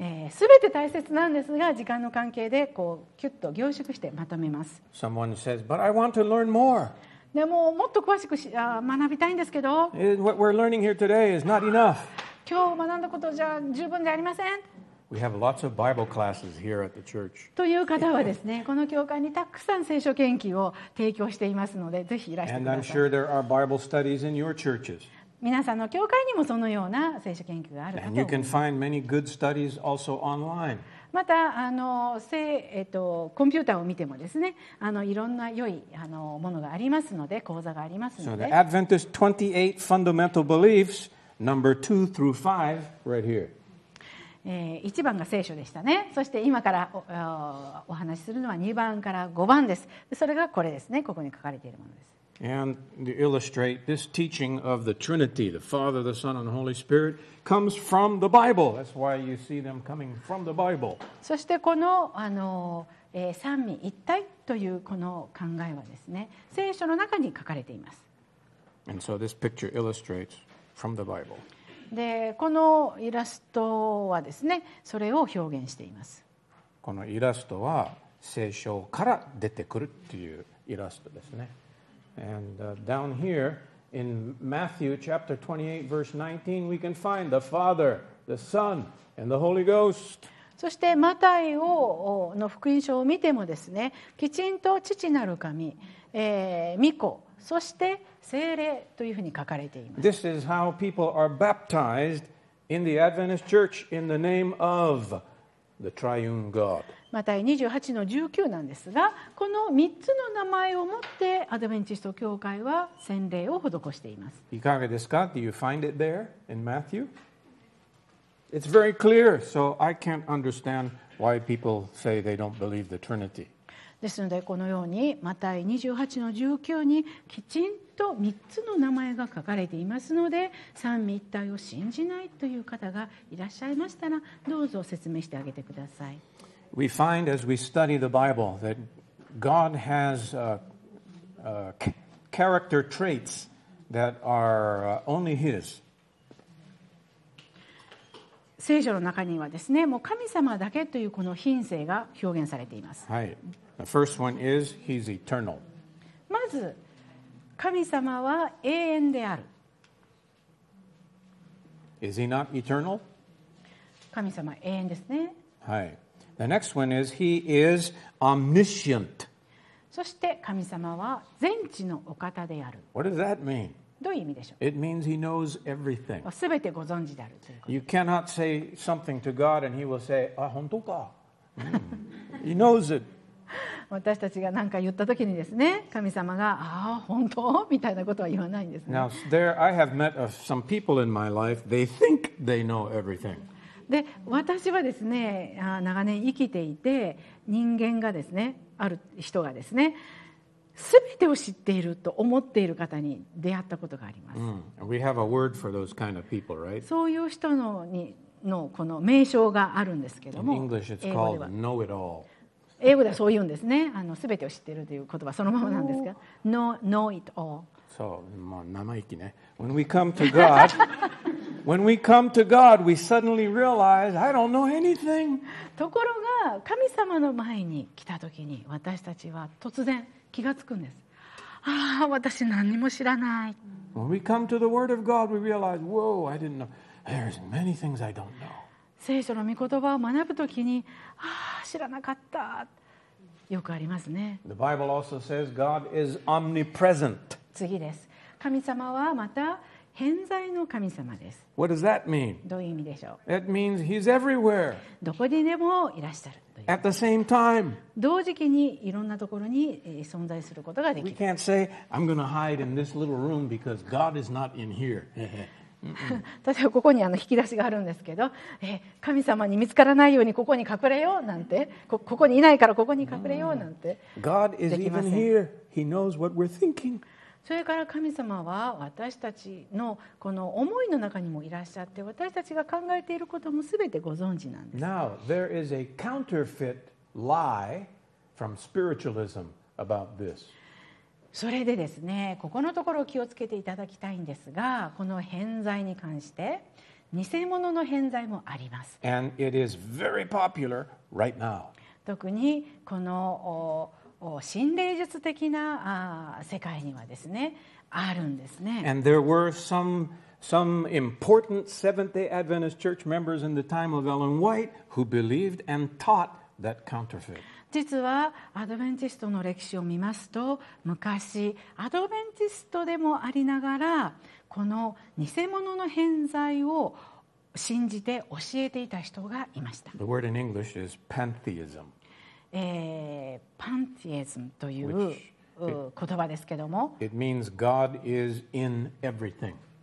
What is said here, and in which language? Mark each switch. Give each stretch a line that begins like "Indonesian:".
Japanese: すべて大切なんですが、時間の関係でこうキュッと凝縮してまとめます。
English: Someone says, but I want to learn more.
Japanese: でも、もっと詳しく学びたいんですけど、
English: What we're learning here today is not enough.
Japanese: 今日学んだことじゃ十分じゃありません。
English: We have lots of Bible classes here at the church.
Japanese: という方はですね、この教会にたくさん聖書研究を提供していますので、ぜひいらしてください。
English: And I'm sure there are Bible studies in your churches.
Japanese: 皆さんの教会にもそのような聖書研究があるかと思います。
English: And you can find many good studies also online.
Japanese: またコンピューターを見てもですね、いろんな良いものがありますので、講座がありますので。
English: So the Adventist 28 fundamental beliefs number 2 through 5 right here.
Japanese: 1番が聖書でしたね。そして今から お話しするのは2番から5番です。それがこれですね、ここに書かれているものです。
English: And to illustrate this teaching of the Trinity, the Father, the Son, and the Holy SpiritComes from the Bible. That's why you see them coming from the Bible.
Japanese: そしてこの三位一体というこの考えはですね、聖書の中に書かれています。
English: And so this picture illustrates from the Bible.
Japanese: で、このイラストはですね、それを表現しています。このイラストは聖書から出てくるっていうイラストですね。
English: And down here. In Matthew chapter 28 verse 19, we can find the Father, the Son, and the Holy Ghost.
Japanese: そしてマタイの福音書を見てもですね、きちんと父なる神、御子、そして聖霊というふうに書かれています。
English: This is how people are baptized in the Adventist Church in the name of the Triune God.
Japanese: マタイ28の19なんですが、この3つの名前を持ってアドベンチスト教会は洗礼を施しています。いかがですか？
English: Do you find it there in Matthew? It's very clear, so I can't understand why people say they don't believe the Trinity.
Japanese: ですので、このようにマタイ28の19にきちんと3つの名前が書かれていますので、三位一体を信じないという方がいらっしゃいましたら、どうぞ説明してあげてください。
English: We find as we study the Bible that God has character traits that are only His.
Japanese: 聖書の中にはですね、もう神様だけというこの品性が表現されています。はい。
English: The first one is He's eternal.
Japanese: まず神様は永遠である。
English: Is He not eternal?
Japanese: 神様永遠ですね。はい。
English: The next one is he is omniscient.
Japanese: そして神様は全知のお方である。
English: What does that mean?
Japanese: どういう意味でしょう?
English: It means he knows everything.
Japanese: すべてご存知であるということです。
English: You cannot say something to God and he will say, ah,
Japanese: 本当か?
English: He knows it.
Japanese: 私たちが何か言ったときにですね、神様が、ああ、本当? みたいなことは言わないんですね。
English: Now, there I have met some people in my life, they think they know everything.
Japanese: で、私はですね、長年生きていて、人間がですね、ある人がですね、全てを知っていると思っている方に出会ったことがあります。
English: We have a word for those kind of people, right?
Japanese: そういう人 のこの名称があるんですけども、
English: In English it's called know it all.
Japanese: 英語ではそう言うんですね。全てを知っているという言葉そのままなんですが、
English: know it all.
Japanese: そう、まあ生意気ね。
English: When we come to God, when we come to God, we suddenly realize I don't know anything.
Japanese: ところが神様の前に来た時に私たちは突然気がつくんです。ああ、私何も知らない。
English: When we come to the Word of God, we realize, whoa, I didn't know. There's many things I don't know.
Japanese: 聖書の御言葉を学ぶときに、ああ、知らなかった。よくありますね。
English: The Bible also says God is omnipresent.
Japanese: 次です。神様はまた偏在の神様です。
English: What does that mean?
Japanese: どういう意味でしょう。
English: It means He's everywhere.
Japanese: どこにでもいらっしゃる。
English: At the same time,
Japanese: 同時期にいろんなところに存在することができる。
English: We can't say, I'm going to hide in this little room because God is not in here.
Japanese: 例えばここに引き出しがあるんですけど、神様に見つからないようにここに隠れようなんて、ここにいないからここに隠れようなんて、
English: God is even here. He knows what we're thinking.
Japanese: それから神様は私たちのこの思いの中にもいらっしゃって、私たちが考えていることも全てご存知なんです。
English: Now, there is a counterfeit lie from spiritualism about this.
Japanese: それでですね、ここのところを気をつけていただきたいんですが、この偏在に関して偽物の偏在もあります。
English: And it is very popular right now.
Japanese: 特にこの心霊術的な世界にはですね、あるんですね。
English: And there were some important Seventh-day Adventist Church members in the time of Ellen White who believed and taught that counterfeit.
Japanese: 実はアドベンチストの歴史を見ますと、昔アドベンチストでもありながら、この偽物の偏在を信じて教えていた人がいました。
English: The word in English is pantheism.
Japanese: パンティエズムという言葉ですけども、
English: It means God is in everything.